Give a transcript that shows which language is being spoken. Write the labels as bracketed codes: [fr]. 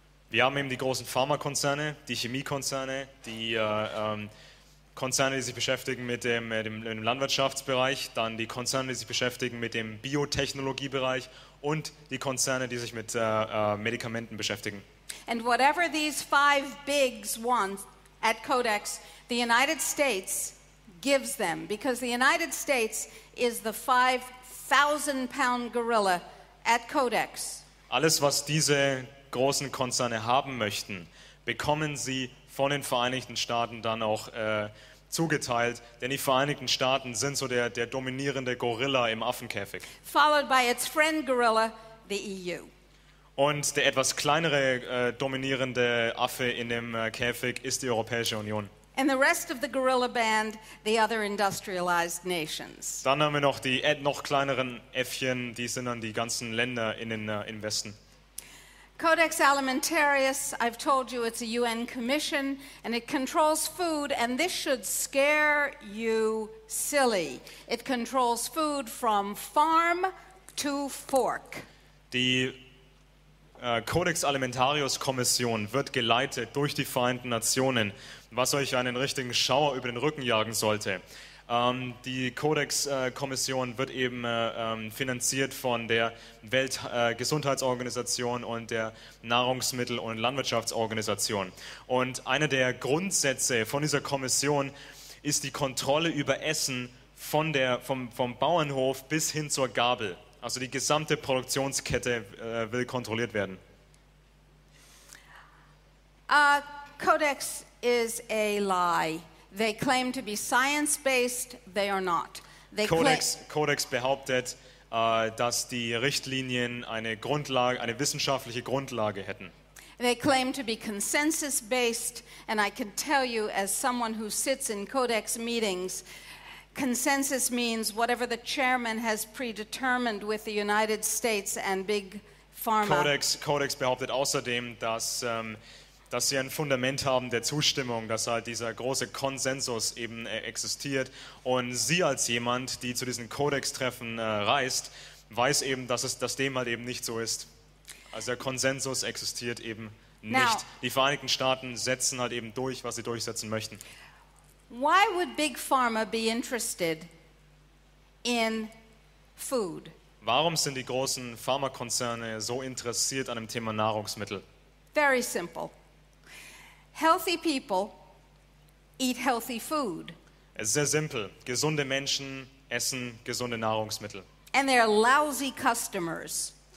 [de] Wir haben eben die großen Pharmakonzerne, die Chemiekonzerne, die Konzerne, die sich beschäftigen mit dem Landwirtschaftsbereich, dann die Konzerne, die sich beschäftigen mit dem Biotechnologiebereich und die Konzerne, die sich mit Medikamenten beschäftigen. [en] And whatever these five bigs want at Codex, the United States gives them, because the United States is the 5,000 pound gorilla at Codex. [de] Alles, was diese großen Konzerne haben möchten, bekommen sie von den Vereinigten Staaten dann auch zugeteilt, denn die Vereinigten Staaten sind so der dominierende Gorilla im Affenkäfig. [en] Followed by its friend gorilla, the EU. [de] Und der etwas kleinere dominierende Affe in dem Käfig ist die Europäische Union. [en] And the rest of the gorilla band, the other industrialized nations. [de] Dann haben wir noch die noch kleineren Äffchen, die sind dann die ganzen Länder im Westen. [en] Codex Alimentarius, I've told you it's a UN commission and it controls food and this should scare you silly. It controls food from farm to fork. [de] Die Codex Alimentarius Kommission wird geleitet durch die Vereinten Nationen, was euch einen richtigen Schauer über den Rücken jagen sollte. Die Codex-Kommission wird eben finanziert von der Weltgesundheitsorganisation und der Nahrungsmittel- und Landwirtschaftsorganisation. Und einer der Grundsätze von dieser Kommission ist die Kontrolle über Essen vom Bauernhof bis hin zur Gabel. Also die gesamte Produktionskette will kontrolliert werden. [en] Codex is a lie. They claim to be science-based, they are not. [de] Codex behauptet, dass die Richtlinien eine wissenschaftliche Grundlage hätten. [en] They claim to be consensus-based, and I can tell you as someone who sits in Codex meetings, consensus means whatever the chairman has predetermined with the United States and big pharma. [de] Codex behauptet außerdem, dass sie ein Fundament haben der Zustimmung, dass halt dieser große Konsensus eben existiert. Und sie als jemand, die zu diesen Codex-Treffen reist, weiß eben, dass dem halt eben nicht so ist. Also der Konsensus existiert eben nicht. [en] Now, [de] die Vereinigten Staaten setzen halt eben durch, was sie durchsetzen möchten. [en] Why would Big Pharma be interested in food? [de] Warum sind die großen Pharmakonzerne so interessiert an dem Thema Nahrungsmittel? [en] Very simple. Healthy people eat healthy food. [de] Es ist sehr simpel. Gesunde Menschen essen gesunde Nahrungsmittel. [en] And they're lousy customers.